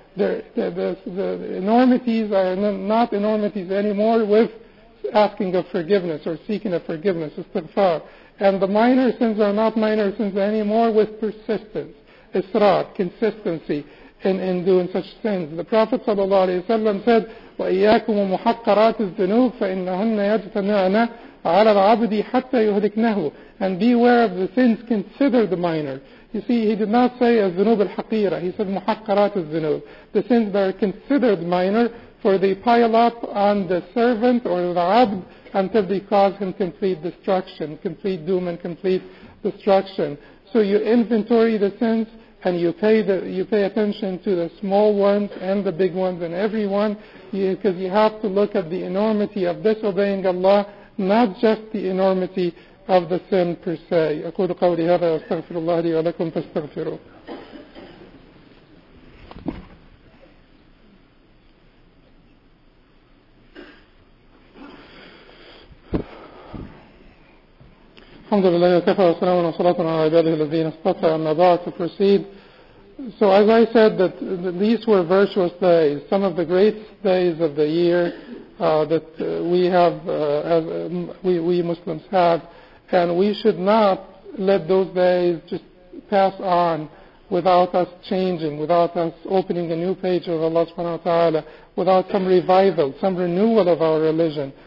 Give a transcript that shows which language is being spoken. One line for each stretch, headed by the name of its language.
English: The enormities are not enormities anymore with asking of forgiveness or seeking of forgiveness, istighfar. And the minor sins are not minor sins anymore with persistence, israr, consistency in doing such sins. The Prophet sallallahu alayhi wa sallam said,
Arabic: وَإِيَّاكُمْ مُحَقَّرَاتِ الذُّنُوبِ فَإِنَّهُنَّ يَجْتَمِعْنَ عَلَى الْعَبْدِ حَتَّى يُهْلِكْنَهُ.
English: And beware of the sins considered minor. You see, he did not say
Arabic: الذنوب الحقيرة.
English: He said
Arabic: محقرات الذنوب.
English: The sins that are considered minor, for they pile up on the servant or the abd until they cause him complete destruction, complete doom and complete destruction. So you inventory the sins and you pay attention to the small ones and the big ones and everyone, because you have to look at the enormity of disobeying Allah, not just the enormity of the sin per se.
Arabic: أقول قولي هذا أستغفر الله لي ولكم فاستغفروا. الحمد لله وكفى وسلام وصلاة على عباده الذين اصطفى أما بعد.
English: To proceed. So as I said, that these were virtuous days, some of the great days of the year that we have, we Muslims have. And we should not let those days just pass on without us changing, without us opening a new page of Allah subhanahu wa ta'ala, without some revival, some renewal of our religion.